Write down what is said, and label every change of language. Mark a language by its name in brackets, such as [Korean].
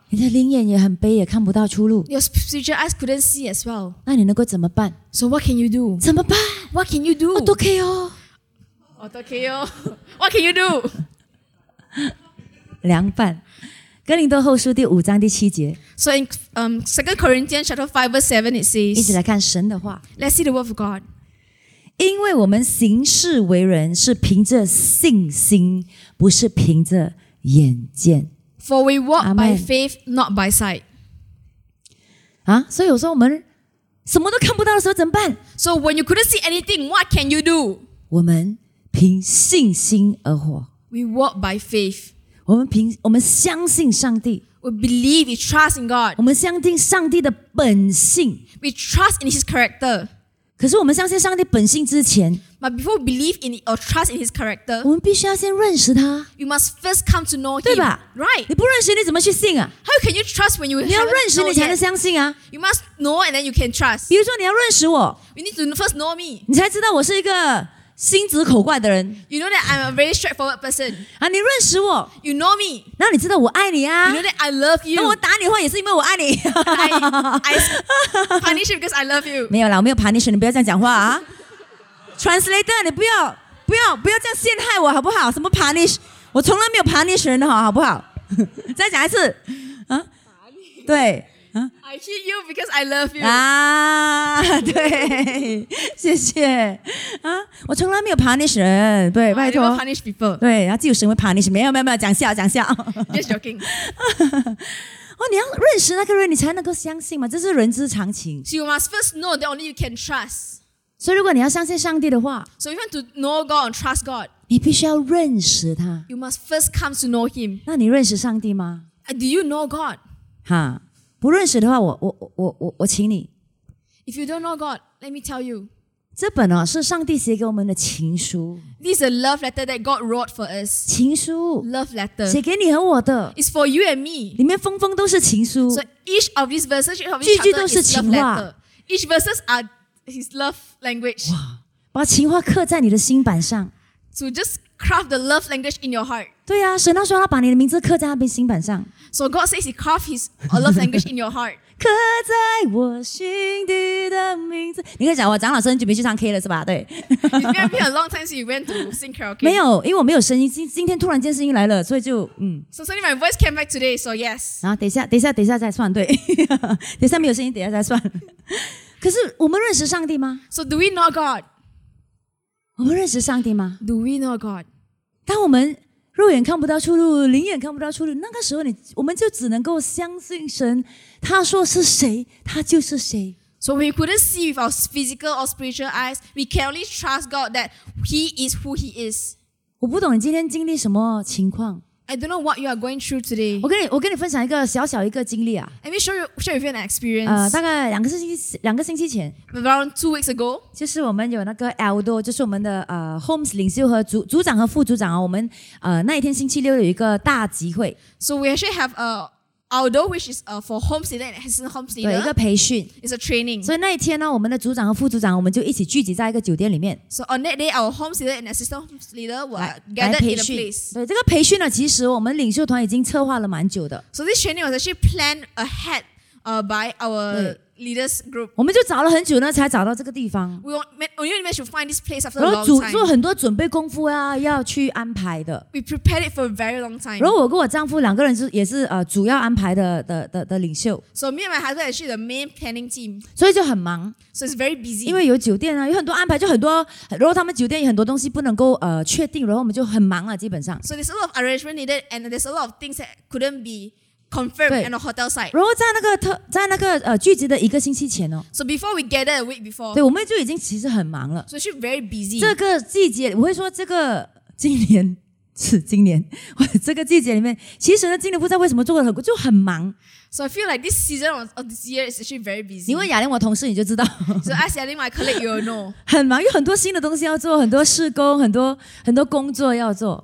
[Chinese] 你的灵眼也很悲，也看不到出路。 [English] Your spiritual eyes couldn't see as well. [Chinese] 那你能够怎么办 [English] ？So what can you do? [Chinese] 怎么办 [English] ？What can you do? [Chinese] 我都可以哦。我都可以哦。 [English] What can you do? [Chinese] 凉拌。哥林多后书第五章第七节。 [English] So in Second Corinthians chapter 5 verse 7 it says. [Chinese] 一起来看神的话。 [English] Let's see the word of God. [Chinese] 因为我们行事为人是凭着信心，不是凭着眼见。 [English] For we walk by faith, not by sight. [Chinese] 啊，所以有时候我们什么都看不到的时候怎么办 [English] ？So when you couldn't see anything, what can you do? [Chinese] 我们凭信心而活。 [English] We walk by faith. [Chinese] 我们相信上帝。 [English] We believe, we trust in God. [Chinese] 我们相信上帝的本性。 [English] We trust in His character. [Chinese] 可是我们相信上帝本性之前 [English] ，But before we believe in or trust in His character， [Chinese] 我们必须要先认识他。 [English] You must first come to know Him， [Chinese] 对吧 [English] ？Right？ [Chinese] 你不认识你怎么去信啊 [English] ？How can you trust when you [Chinese] 你要认识你才能相信啊 [English] ？You must know and then you can trust。 [Chinese] 比如说你要认识我 [English] ，We need to first know me， [Chinese] 你才知道我是一个心直口快的人。 [English] You know that I'm a very straightforward person。 [Chinese] 啊，你认识我 [English] ，You know me， [Chinese] 那你知道我爱你啊 [English] ？You know that I love you。 [Chinese] 那我打你的话也是因为我爱你。 [English] I punish you because I love you。 [Chinese] 没有啦，我没有 punish 你，不要这样讲话啊。Translator， 你不要这样陷害我好不好？什么 punish？我从来没有 punish 人的好不好？再讲一次，啊，对。 [English] I hit you because I love you. [Chinese] 啊，对，谢谢。啊，我从来没有 punish 人，对，拜托。 [English] I never punish people. [Chinese] 对，然后自由神会 punish， 没有，讲笑，讲笑。 [English] Just joking. [Chinese] 哦，你要认识那个人，你才能够相信嘛，这是人之常情。 [English] So you must first know that only you can trust. [Chinese] 所以如果你要相信上帝的话 [English] ，So if you want to know God and trust God， [Chinese] 你必须要认识他。 [English] You must first come to know Him. [Chinese] 那你认识上帝吗 [English] ？Do you know God？ [Chinese] 哈。不认识的话，我请你。 [English] If you don't know God, let me tell you. [Chinese] 这本啊是上帝写给我们的情书。 [English] This is a love letter that God wrote for us. [Chinese] 情书。 [English] Love letter. [Chinese] 写给你和我的。 [English] It's for you and me. [Chinese] 里面封封都是情书。 [English] So each of these verses, each of these chapters is love letter. Each verses are His love language. [Chinese] 哇，把情话刻在你的心板上。 [English] So just craft the love language in your heart. [Chinese] 对啊，神他说他把你的名字刻在那边心板上。 [English] So God says He carved His love language in your heart. [Chinese] 刻在我心底的名字，你可以讲我长老生就没去唱 K 了是吧？对。 [English] It's been a long time since you went to sing karaoke. [Chinese] 没有，因为我没有声音，今天突然间声音来了，所以就 [English] So suddenly my voice came back today. So yes. [Chinese] 然后等一下再算，对。等一下没有声音，等一下再算。可是我们认识上帝吗 [English] ？So do we know God? [Chinese] 我们认识上帝吗 [English] ？Do we know God? [Chinese] 当我们肉眼看不到出路，灵眼看不到出路，那个时候我们就只能够相信神，他说是谁，他就是谁。 [English] So we couldn't see with our physical or spiritual eyes, we can only trust God that He is who He is. [Chinese] 我不懂你今天经历什么情况。 [English] I don't know what you are going through today. [Chinese] 我跟你分享一个小小一个经历啊。 [English] Let me show you an experience. [Chinese] 大概两个星期前。 [English] Around 2 weeks ago. [Chinese] 就是我们有那个 elder， 就是我们的homes 领袖和组长和副组长啊，我们那一天星期六有一个大集会。 [English] So we actually have a elder which is for homes leader and assistant homes leader. [Chinese] 对，一个培训。 [English] It's a training. [Chinese] 所以那一天呢，我们的组长和副组长我们就一起聚集在一个酒店里面。 [English] So on that day, our homes leader and assistant homes leader were gathered in a place. [Chinese] 对，这个培训呢，其实我们领袖团已经策划了蛮久的。 [English] So this training was actually planned ahead by our leaders group. [Chinese] 我们就找了很久呢，才找到这个地方。 [English] We managed to find this place after a long time. [Chinese] 做很多准备功夫啊，要去安排的。 [English] We prepared it for a very long time. [Chinese] 然后我跟我丈夫两个人也是主要安排的领袖。 [English] So me and my husband are actually the main planning team. [Chinese] 所以就很忙。 [English] So it's very busy. [Chinese] 因为有酒店啊，有很多安排，就很多。然后他们酒店有很多东西不能够确定，然后我们就很忙了，基本上。 [English] So there's a lot of arrangement needed, and there's a lot of things that couldn't be. Confirm and a hotel site. [Chinese] 然后在那个聚集的一个星期前哦。 [English] So before we gathered a week before. [Chinese] 对，我们就已经其实很忙了。 [English] So she's very busy. [Chinese] 这个季节，我会说这个今年这个季节里面，其实呢，今年不知道为什么做的就很忙。 [English] So I feel like this season of this year is actually very busy. [Chinese] 你问雅玲我同事你就知道。 [English] So ask雅玲 my colleague, you'll know. [Chinese] 很忙，有很多新的东西要做，很多事工，很多工作要做。